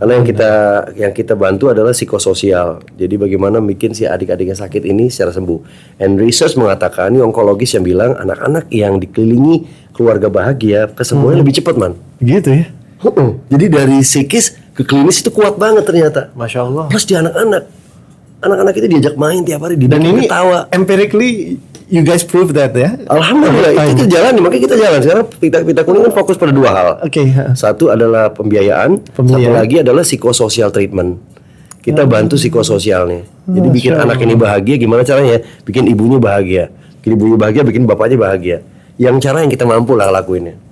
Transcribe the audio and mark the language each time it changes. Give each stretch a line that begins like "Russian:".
Indonesian: Karena yang kita bantu adalah psikososial. Jadi bagaimana bikin si adik-adik yang sakit ini secara sembuh.
English: And research
Indonesian: mengatakan, ini onkologis yang bilang, anak-anak yang dikelilingi keluarga bahagia, kesembuhannya lebih cepat, man. Gitu ya? Jadi dari psikis ke klinis itu kuat banget ternyata. Masya Allah. Plus di anak-anak. Anak-anak itu diajak main tiap hari. Dan ini ketawa.
English: Empirically, you guys prove that ya?
Indonesian: Alhamdulillah, itu jalan, makanya kita jalan. Sekarang Pita Kuning kan fokus pada dua hal.
English: Okay.
Indonesian: Satu adalah pembiayaan. Satu lagi adalah psikososial treatment. Kita bantu psikososialnya. Jadi bikin anak ini bahagia, gimana caranya? Bikin ibunya bahagia. Bikin ibunya bahagia, bikin bapaknya bahagia. Yang cara yang kita mampu lah lakuinnya.